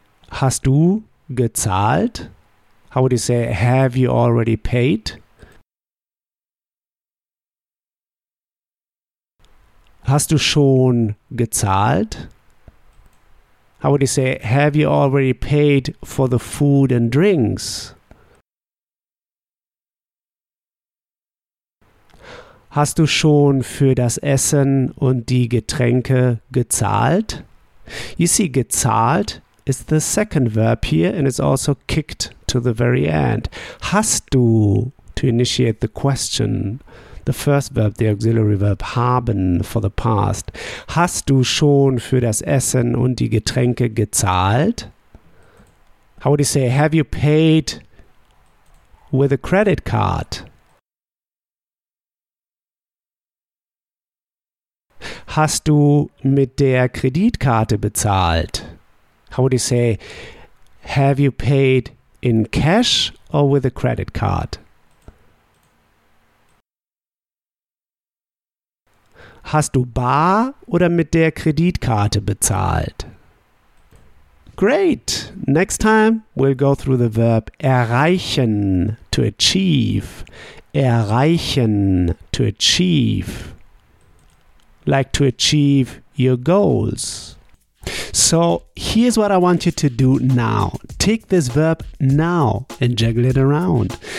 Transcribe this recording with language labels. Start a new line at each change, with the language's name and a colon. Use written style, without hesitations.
German: Hast du gezahlt?
English: How would you say, have you already paid?
German: Hast du schon gezahlt?
English: How would you say, have you already paid for the food and drinks?
German: Hast du schon für das Essen und die Getränke gezahlt?
English: You see, gezahlt is the second verb here and it's also kicked to the very end. Hast du, to initiate the question, the first verb, the auxiliary verb, haben for the past.
German: Hast du schon für das Essen und die Getränke gezahlt?
English: How would you say, have you paid with a credit card?
German: Hast du mit der Kreditkarte bezahlt?
English: How would you say, have you paid in cash or with a credit card?
German: Hast du bar oder mit der Kreditkarte bezahlt?
English: Great! Next time we'll go through the verb erreichen, to achieve. Erreichen, to achieve. Like to achieve your goals. So here's what I want you to do now. Take this verb now and juggle it around.